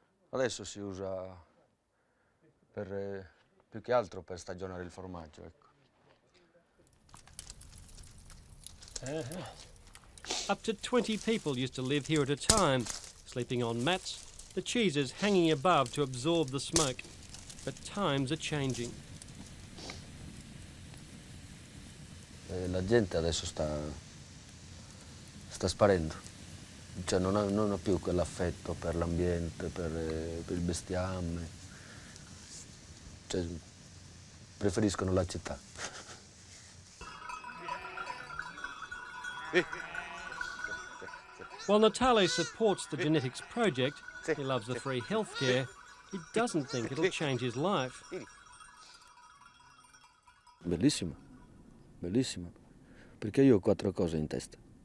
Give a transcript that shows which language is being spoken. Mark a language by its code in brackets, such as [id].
[it] Adesso si usa per più che altro per stagionare il formaggio, ecco. [en] Up to 20 people used to live here at a time, sleeping on mats, the cheeses hanging above to absorb the smoke. But times are changing. [it] La gente adesso sta sparendo, cioè non ha più quell'affetto per l'ambiente, per il bestiame, cioè preferiscono la città. [en] While Natale supports the genetics project, he loves the free healthcare, he doesn't think it'll change his life. [it] Bellissimo. Bellissima, perché io ho quattro cose in testa.